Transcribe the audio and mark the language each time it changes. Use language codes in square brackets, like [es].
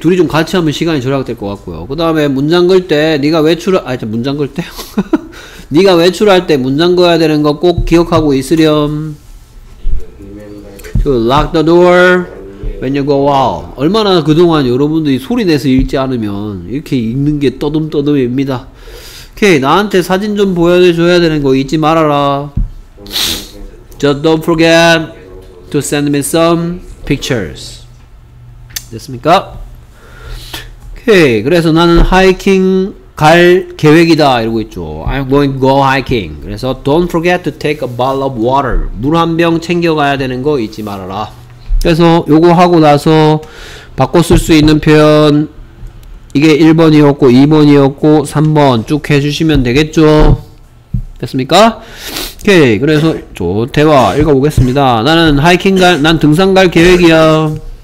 [ko] 둘이 좀 같이 하면 시간이 절약될 것 같고요. 그 다음에 문장 걸 때 네가 외출을, 아, 진짜 문장 걸 때? 네가 외출할 때 문장 걸어야 되는 거 꼭 기억하고 있으렴. [en] To lock the door when you go out. [ko] 얼마나 그동안 여러분들이 소리 내서 읽지 않으면 이렇게 읽는 게 떠듬떠듬입니다. 오케이. 나한테 사진 좀 보여줘야 되는 거 잊지 말아라. [en] Just don't forget to send me some pictures. [ko] 됐습니까? 오케이. 그래서 나는 하이킹 갈 계획이다 이러고 있죠. [en] I'm going to go hiking. 그래서 don't forget to take a bottle of water. [ko] 물 한 병 챙겨가야 되는 거 잊지 말아라. 그래서 요거 하고 나서 바꿔 쓸 수 있는 표현, 이게 1번이었고 2번이었고 3번 쭉 해주시면 되겠죠. 됐습니까? 오케이. 그래서 저 대화 읽어보겠습니다. 나는 하이킹 갈, 난 등산 갈 계획이야.